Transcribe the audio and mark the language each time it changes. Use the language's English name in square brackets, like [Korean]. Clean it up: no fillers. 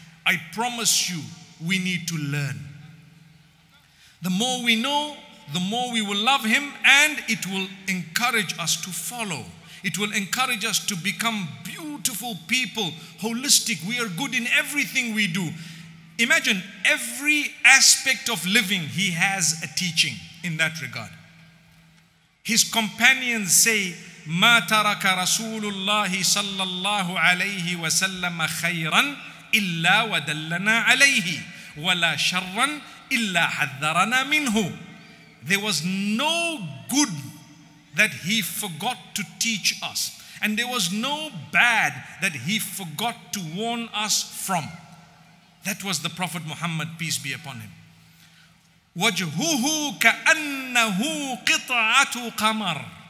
[English] I promise you, we need to learn. The more we know, the more we will love him, and it will encourage us to follow. It will encourage us to become beautiful people, holistic. We are good in everything we do. Imagine every aspect of living, he has a teaching in that regard. His companions say, [Arabic] مَا تَرَكَ رَسُولُ اللَّهِ صَلَّى اللَّهُ عَلَيْهِ وَسَلَّمَ خَيْرًا إِلَّا وَدَلَّنَا عَلَيْهِ وَلَا شَرًّا إِلَّا حَذَّرَنَا مِنْهُ. [English] There was no good that he forgot to teach us. And there was no bad that he forgot to warn us from. That was the Prophet Muhammad, peace be upon him. [Arabic] وَجْهُهُ كَأَنَّهُ قِطْعَةُ قَمَرٍ.